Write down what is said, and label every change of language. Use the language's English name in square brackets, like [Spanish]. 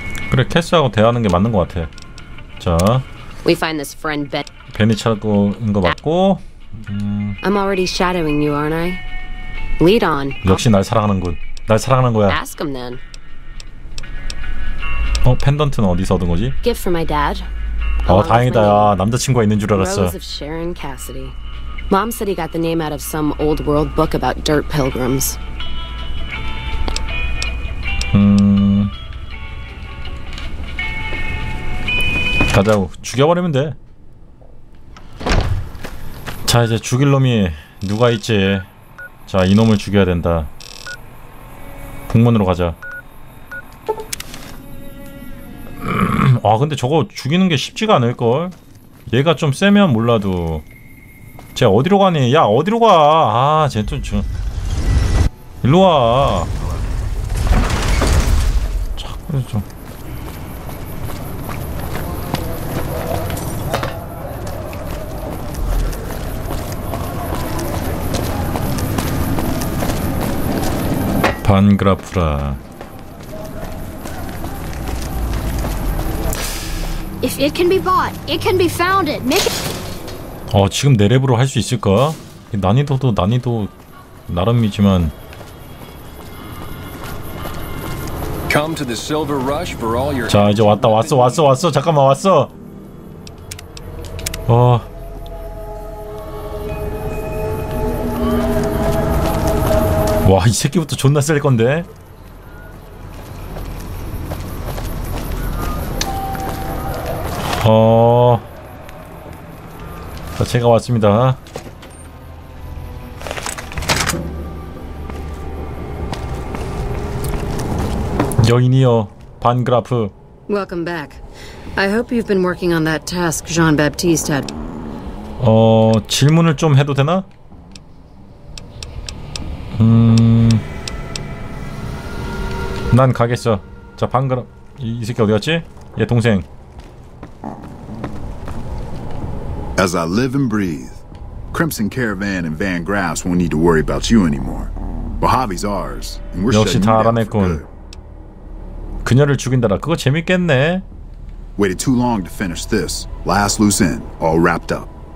[Korean] 그래, 캐스하고 대화하는 게 맞는 것 같아. 자. [English] We find this friend Ben. [Korean] 벤이 찾고 있는 거 맞고. [English] I'm already shadowing you, aren't I? Lead on. [Korean] 역시 날 사랑하는군. 날 사랑하는 거야. [English] Ask him then. [Korean] 어, 펜던트는 어디서 얻은 거지? [English] Gift from my dad. [Korean] 어, 다행이다. 야, 남자친구가 있는 줄 알았어. [English] Rose of Sharon Cassidy. Mom said he got the name out of some old world book about dirt pilgrims. [Korean] 가자. 죽여버리면 돼. 자, 이제 죽일 놈이 누가 있지? 자, 이놈을 죽여야 된다. 북문으로 가자. 아 근데 저거 죽이는 게 쉽지가 않을걸? 얘가 좀 세면 몰라도. 쟤 어디로 가니? 야 어디로 가? 아 쟤 또 저... 일로 와. 자꾸 좀. 반그라프라. [English] If it can be bought, it can be founded. Make it. [Korean] 어 지금 내 랩으로 할 수 있을까? 난이도도 난이도 나름이지만. [English] Come to the silver rush for all your. [Korean] 자 이제 왔다 왔어 왔어 왔어 잠깐만 왔어. 어. 와 이 새끼부터 존나 셀 건데. 자 제가 왔습니다. 여인이여, 반그라프. [English] Welcome back. I hope you've been working on that task Jean-Baptiste had. [Korean] 질문을 좀 해도 되나? 난 가겠어. 자, 방금 이 새끼 어디 갔지? 얘 동생. [English] As I live and breathe, Crimson Caravan and Van Graaff won't need to worry about you anymore. Bahavi's ours, and we're shutting you down for good. [Korean] 그녀를 죽인다라. 그거 재밌겠네. [English] Waited too long to finish this. Last loose end, all wrapped up.